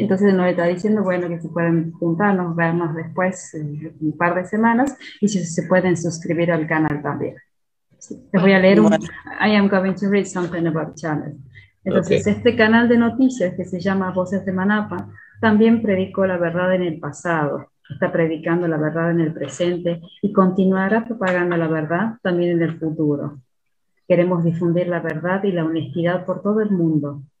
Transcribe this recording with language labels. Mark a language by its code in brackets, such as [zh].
[es] Entonces nos está diciendo, bueno, que se pueden juntarnos, vernos después un par de semanas y si se pueden suscribir al canal también. Les voy a leer un. [en] I am going to read something about channel. [es] Entonces, okay. Este canal de noticias que se llama Voces de Manapa también predicó la verdad en el pasado, está predicando la verdad en el presente y continuará propagando la verdad también en el futuro. Queremos difundir la verdad y la honestidad por todo el mundo.